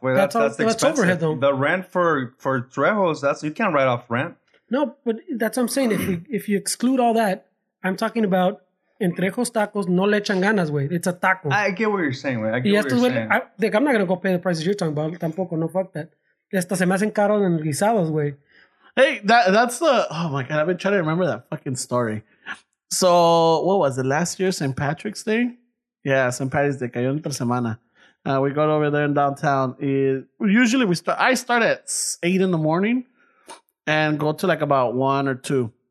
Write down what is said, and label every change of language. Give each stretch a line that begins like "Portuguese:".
English: That's overhead though. The rent for Trejo's, you can't write off rent. No, but that's what I'm saying. If you exclude all that, I'm talking about Entrejos tacos no le echan ganas, güey. It's a taco. I get what you're saying, güey. I get what you're saying. I'm not going to go pay the prices you're talking about.
Spanish: Tampoco, no fuck that. Hasta se me hacen caros en guisados, güey.
English: Hey, that's the... Oh, my God. I've been trying to remember that fucking story. So, what was it? Last year, St. Patrick's Day? Yeah, St. Patrick's Day. Cayó entre semana. We got over there in downtown. Usually, I start at 8 in the morning. And go to like about 1 or 2.